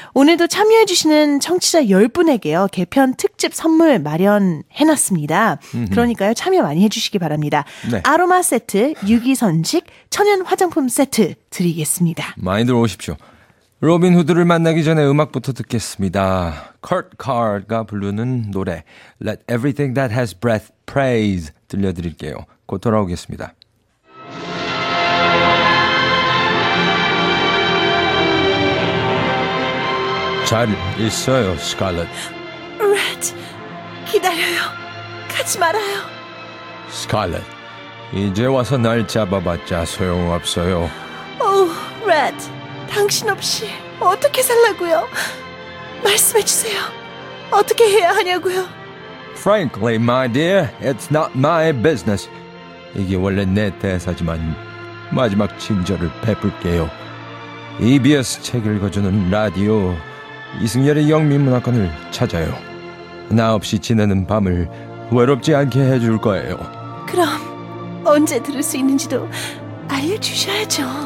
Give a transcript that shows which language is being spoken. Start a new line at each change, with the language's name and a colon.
Korean: 오늘도 참여해주시는 청취자 10분에게요. 개편 특집 선물 마련해놨습니다. 음흠. 그러니까요. 참여 많이 해주시기 바랍니다. 네. 아로마 세트, 유기선식, 천연 화장품 세트 드리겠습니다. 많이들 오십시오. 로빈 후드를 만나기 전에 음악부터 듣겠습니다. Kurt Card가 부르는 노래 Let Everything That Has Breath Praise 들려드릴게요. 곧 돌아오겠습니다. 잘 있어요, 스칼렛. 레드, 기다려요. 가지 말아요. 스칼렛, 이제 와서 날 잡아봤자 소용없어요. 오, 레드, 당신 없이 어떻게 살라고요? 말씀해주세요. 어떻게 해야 하냐고요?
English: Frankly, my dear, it's not my business.
Korean: 이게 원래 내 대사지만 마지막 친절을 베풀게요. EBS 책 읽어주는 라디오 이승열의 영미문화관을 찾아요. 나 없이 지내는 밤을 외롭지 않게 해줄 거예요. 그럼 언제 들을 수 있는지도 알려주셔야죠.